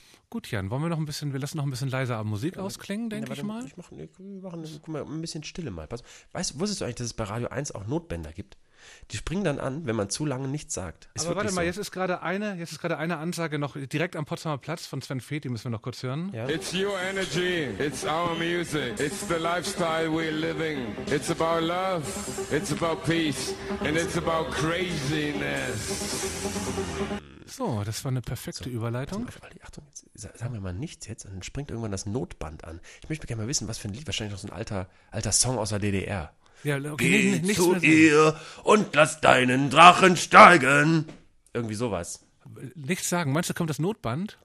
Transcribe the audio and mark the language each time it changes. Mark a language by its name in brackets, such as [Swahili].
[German] Gut, Jan, wollen wir noch ein bisschen, wir lassen noch ein bisschen leiser Musik ausklingen, denke ich mal. Wir machen ein bisschen Stille mal. Wusstest du eigentlich, dass es bei Radio 1 auch Notbänder gibt? Die springen dann an, wenn man zu lange nichts sagt. Ist aber warte mal, so. jetzt ist gerade eine Ansage noch direkt am Potsdamer Platz von Sven Feth, die müssen wir noch kurz hören. Ja. [English] It's your energy, it's our music, it's the lifestyle we're living, it's about love, it's about peace and it's about craziness. [German] So, das war eine perfekte Überleitung. Achtung, jetzt sagen wir mal nichts jetzt und dann springt irgendwann das Notband an. Ich möchte gerne mal wissen, was für ein Lied, wahrscheinlich noch so ein alter Song aus der DDR. Ja, okay. Geh nicht zu ihr und lass deinen Drachen steigen. Irgendwie sowas. Nichts sagen. Meinst du, kommt das Notband?